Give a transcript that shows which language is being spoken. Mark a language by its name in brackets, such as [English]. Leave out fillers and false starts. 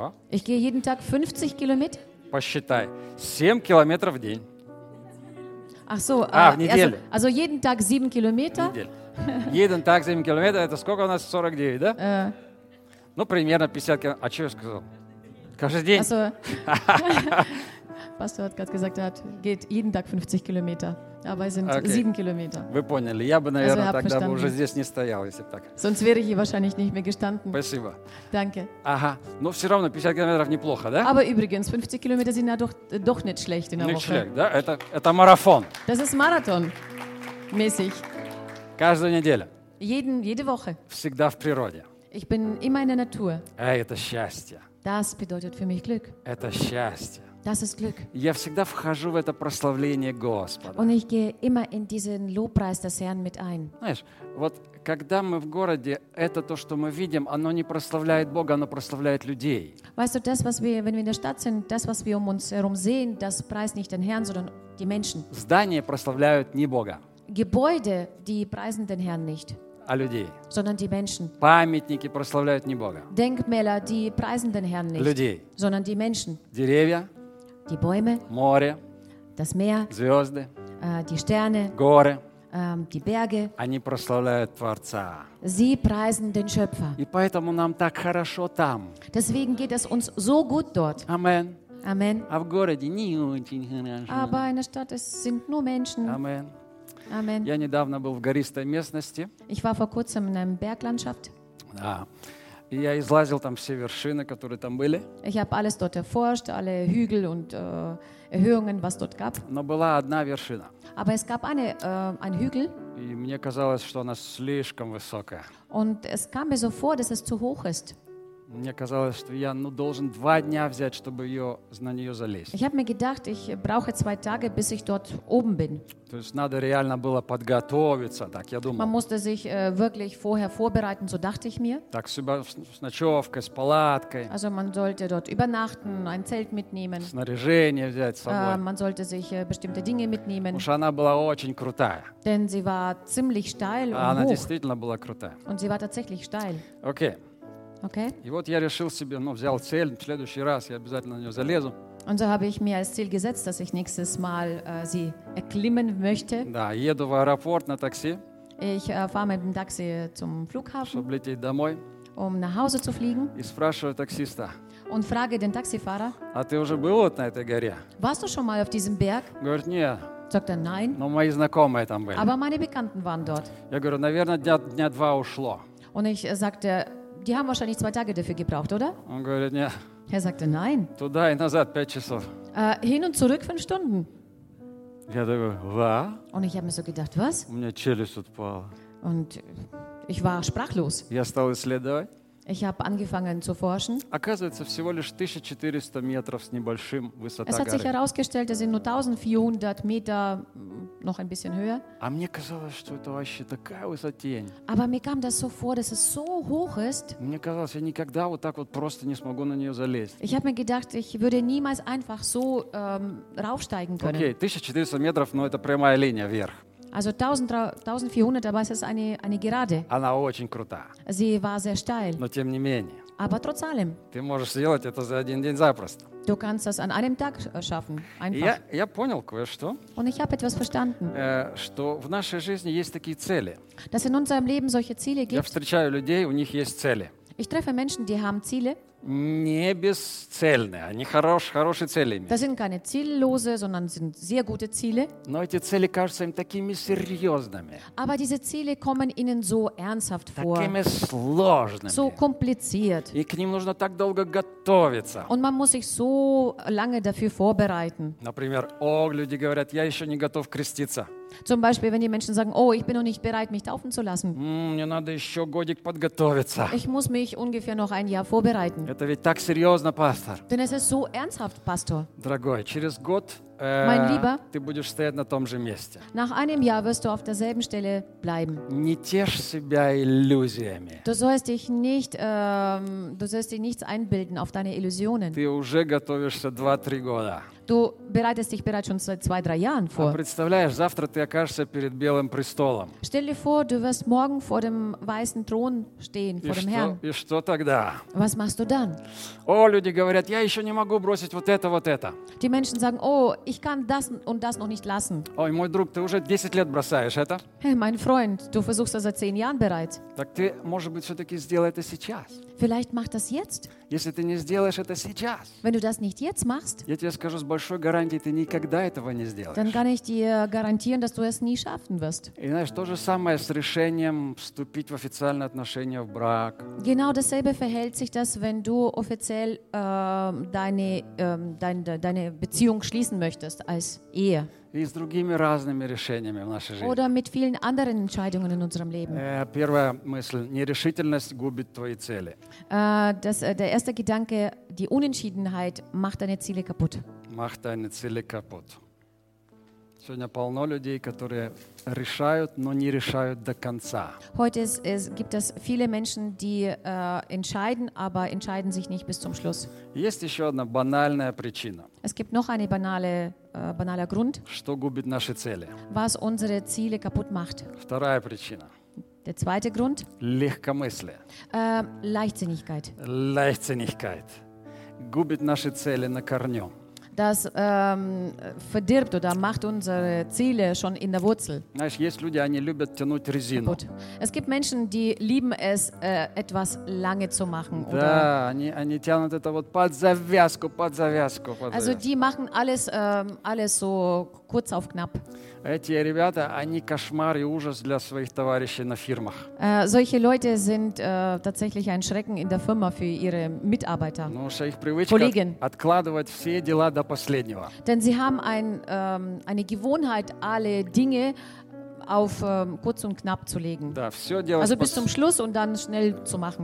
[German] Ich gehe jeden Tag 50 Kilometer. [Russian] Посчитай, 7 километров в день. [German] Ach so, [Russian] в неделю. [German] Also jeden Tag 7 Kilometer. Jeden Tag 7 Kilometer, [Russian] это сколько у нас? 49, да? Ну, примерно 50 километров. А что я сказал? Каждый день. [German] Also, Pastor hat gerade gesagt, er geht jeden Tag 50 Kilometer. Aber es sind 7 Kilometer. [Russian] Вы поняли. Я бы, наверное, also, тогда бы уже здесь не стоял, если бы так. [German] Sonst wäre ich hier wahrscheinlich nicht mehr gestanden. [Russian] Спасибо. [German] Danke. [Russian] Ага. Но все равно 50 километров неплохо, да? [German] Aber übrigens, 50 Kilometer sind ja doch nicht schlecht in der nicht Woche. Schlecht, да? [Russian] Это марафон. [German] Das ist Marathon. Mäßig. [Russian] Каждую неделю. [German] Jede Woche. [Russian] Всегда в природе. [German] Ich bin immer in der Natur. [Russian] Это счастье. [German] Das bedeutet für mich Glück. [Russian] Это счастье. [German] Das ist Glück. [Russian] Я всегда вхожу в это прославление Господа. [German] Und ich gehe immer in diesen Lobpreis des Herrn mit ein. [Russian] Знаешь, вот когда мы в городе, это то, что мы видим, оно не прославляет Бога, оно прославляет людей. [German] Weißt du, das, was wir, wenn wir in der Stadt sind, das, was wir um uns herum sehen, das preist nicht den Herrn, sondern die Menschen. [Russian] Здания прославляют не Бога. [German] Gebäude, die preisen den Herrn nicht, [Russian] а людей. [German] Sondern die Menschen. [Russian] Памятники прославляют не Бога. [German] Denkmäler, die preisen den Herrn nicht, [Russian] людей. [German] Sondern die Menschen. [Russian] Деревья, [German] die Bäume, [Russian] море, [German] das Meer, [Russian] звезды, [German] die Sterne, [Russian] горы, [German] die Berge. [Russian] Они прославляют Творца. [German] Sie preisen den Schöpfer. [Russian] И поэтому нам так хорошо там. [German] Deswegen geht es uns so gut dort. [Russian] Amen. [German] Amen. [Russian] А в городе не очень хорошо. [German] Aber in der Stadt es sind nur Menschen. [Russian] Amen. [German] Amen. [Russian] Я недавно был в гористой местности. [German] Ich war vor kurzem in einer Berglandschaft. [Russian] Да. И я излазил там все вершины, которые там были. [German] Ich habe alles dort erforscht, alle Hügel und Erhöhungen, was dort gab. [Russian] Но была одна вершина. [German] Aber es gab eine ein Hügel. [Russian] И мне казалось, что она слишком высокая. [German] Und es kam mir so vor, dass es zu hoch ist. [Russian] Мне казалось, что я, ну, должен два дня взять, чтобы на нее залезть. [German] Ich habe mir gedacht, ich brauche zwei Tage, bis ich dort oben bin. [Russian] То есть надо реально было подготовиться, так я думал. [German] Man musste sich wirklich vorher vorbereiten, so dachte ich mir. [Russian] Так с ночевкой, с палаткой. [German] Also man sollte dort übernachten, ein Zelt mitnehmen. [Russian] Снаряжение взять с собой. [German] Man sollte sich bestimmte Dinge mitnehmen. [Russian] Уж она была очень крутая. [German] Denn sie war ziemlich steil und [Russian] она [German] hoch. [Russian] Действительно была крутая. [German] Und sie war tatsächlich steil. Okay. Okay. [Russian] И вот я решил себе, ну, взял цель, в следующий раз я обязательно на нее залезу. [German] Und so habe ich mir als Ziel gesetzt, dass ich nächstes Mal sie erklimmen möchte. [Russian] Да, еду в аэропорт на такси. [German] Ich fahre mit dem Taxi zum Flughafen. [Russian] Чтобы лететь домой. [German] Um nach Hause zu fliegen. [Russian] И спрашиваю таксиста. [German] Und frage den Taxifahrer. [Russian] А ты уже был вот на этой горе? [German] Warst du schon mal auf diesem Berg? [Russian] Говорит, нет. [German] Sagt er, nein. [Russian] Но мои знакомые там были. [German] Aber meine Bekannten waren dort. [Russian] Я говорю, наверное, дня два ушло. [German] Und ich sagte, die haben wahrscheinlich zwei Tage dafür gebraucht, oder? [Russian] Он говорит, нет. [German] Er sagte, nein. [Russian] Туда и назад 5 часов. [German] Hin und zurück 5 Stunden. [Russian] Я такой, ва? [German] Und ich habe mir so gedacht, was? [Russian] У меня челюсть отпала. [German] Und ich war sprachlos. [Russian] Я стал исследовать. [German] Ich habe angefangen zu forschen. [Russian] Оказывается, всего лишь 1400 метров с небольшим высота горы. [German] Es hat sich herausgestellt, dass sind nur 1400 Meter noch ein bisschen höher. [Russian] А мне казалось, что это вообще такая высотень. [German] Aber mir kam das so vor, dass es so hoch ist. [Russian] Мне казалось, я никогда вот так вот просто не смогу на нее залезть. [German] Ich habe mir gedacht, ich würde niemals einfach so raufsteigen können. [Russian] Okay, 1400 метров, но это прямая линия вверх. [German] Also 1400, aber es ist eine Gerade. [Russian] Она очень крута. [German] Sie war sehr steil. [Russian] Но тем не менее. [German] Aber trotz allem. [Russian] Ты можешь сделать это за один день запросто. [German] Du kannst das an einem Tag schaffen, [Russian] einfach. Я понял кое-что. [German] Und ich habe etwas verstanden. [Russian] Что в нашей жизни есть такие цели. [German] Dass in unserem Leben solche Ziele gibt. [Russian] Я встречаю людей, у них есть цели. [German] Ich treffe Menschen, die haben Ziele. [Russian] Не бесцельные, они хорошие цели имеют. [German] Das sind keine ziellose, sondern sind sehr gute Ziele. [Russian] Но эти цели кажутся им такими серьезными. [German] Aber diese Ziele kommen ihnen so ernsthaft vor. [Russian] Такими сложными. [German] So kompliziert. [Russian] И к ним нужно так долго готовиться. [German] Und man muss sich so lange dafür vorbereiten. [Russian] Например, о, люди говорят, я еще не готов креститься. [German] Zum Beispiel, wenn die Menschen sagen, oh, ich bin noch nicht bereit, mich taufen zu lassen. [Russian] Мне надо еще годик подготовиться. [German] Ich muss mich ungefähr noch ein Jahr vorbereiten. [Russian] Это ведь так серьезно, пастор. [German] Denn es ist so ernsthaft, Pastor. [Russian] Дорогой, через год [German] mein Lieber, [Russian] ты будешь стоять на том же месте. [German] Nach einem Jahr wirst du auf derselben Stelle bleiben. [Russian] Не тешь себя иллюзиями. [German] Du sollst dich nichts einbilden auf deine Illusionen. [Russian] Ты уже готовишься 2-3 года. [German] Du bereitest dich bereits schon seit 2-3 Jahren vor. [Russian] А представляешь, завтра ты окажешься перед белым престолом. [German] Stell dir vor, du wirst morgen vor dem weißen Thron stehen, [Russian] и [German] vor [Russian] что, [German] dem Herrn. [Russian] И что тогда? [German] Was machst du dann? [Russian] О, люди говорят, я еще не могу бросить вот это, вот это. [German] Die Menschen sagen, oh, ich kann das und das noch nicht lassen. [Russian] Ой, мой друг, ты уже 10 лет бросаешь это. [German] Hey, mein Freund, du versuchst das seit 10 Jahren bereits. [Russian] Так ты, может быть, все-таки сделай это сейчас. [German] Vielleicht mach das jetzt. [Russian] Если ты не сделаешь это сейчас, [German] wenn du das nicht jetzt machst, [Russian] я тебе скажу с большой гарантией, ты никогда этого не сделаешь. [German] Dann kann ich dir garantieren, dass du es nie schaffen wirst. [Russian] И знаешь, то же самое с решением вступить в официальные отношения в брак. [German] Genau dasselbe verhält sich das, wenn du offiziell deine Beziehung schließen möchtest als Ehe. [Russian] И с другими разными решениями в нашей жизни. [German] Oder mit vielen anderen Entscheidungen in unserem Leben. [Russian] Первая мысль: нерешительность губит твои цели. [German] Der erste Gedanke: die Unentschiedenheit macht deine Ziele kaputt. Macht deine Ziele kaputt. [Russian] Сегодня полно людей, которые решают, но не решают до конца. [German] Heute gibt es viele Menschen, die entscheiden, aber entscheiden sich nicht bis zum Schluss. [Russian] Есть еще одна банальная причина. [German] Es gibt noch eine banaler Grund. [Russian] Что губит наши цели? [German] Was unsere Ziele kaputt macht. [Russian] Вторая причина. [German] Der zweite Grund. [Russian] Легкомыслие. [German] Leichtsinnigkeit. [Russian] Leichtsinnigkeit губит наши цели на корню. [German] Das verdirbt oder macht unsere Ziele schon in der Wurzel. [Russian] Знаешь, есть люди, они любят тянуть резину. [German] Es gibt Menschen, die lieben es, etwas lange zu machen. [Russian] Да, они тянут это вот под завязку, под завязку, под [German] Also die machen alles so kurz auf knapp. [Russian] Эти ребята, они кошмар и ужас для своих товарищей на фирмах. [German] Solche Leute sind tatsächlich ein Schrecken in der Firma für ihre Mitarbeiter, Kollegen. [Russian] Откладывать все дела до последнего. [German] Denn sie haben eine Gewohnheit, alle Dinge auf kurz und knapp zu legen. [Russian] Да, все делать. [German] Also bis zum Schluss und dann schnell zu machen.